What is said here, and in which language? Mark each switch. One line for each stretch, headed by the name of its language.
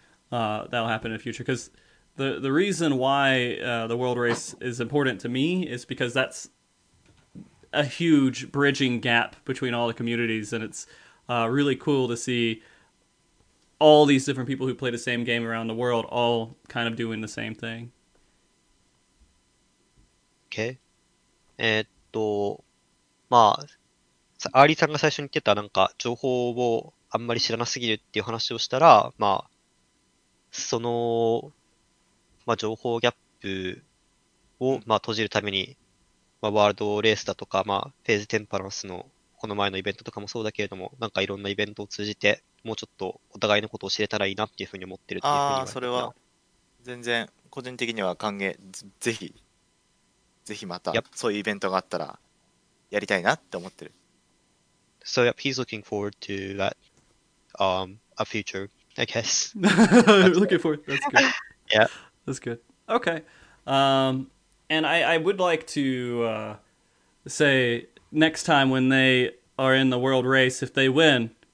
English: that'll happen in the future, because the reason why the world race is important to me is because that's a huge bridging gap between all the communities, and it's really cool to see all these different people who play the same game around the world all kind of doing the same thing. Okay.
Japanese: まあ、アーリーさんが最初に言ってたなんか情報をあんまり知らなすぎるっていう話をしたら、まあその、まあ、情報ギャップを、まあ、閉じるために、まあ、ワールドレースだとか、まあ、フェーズテンパランスの、この前のイベントとかもそうだけれども、なんかいろんなイベントを通じて、もうちょっとお互いのことを知れたらいいなっていうふうに思ってるっていうふうに。ああ、それは、全然、個人的には歓迎、ぜひまた、そういうイベントがあったら、やりたいなって思ってる。
English: So, yep, he's looking forward to that, a future. I guess. Looking forward. That's good. Yeah. That's good. Okay. And I would like to say next time when they are in the world race, if they win,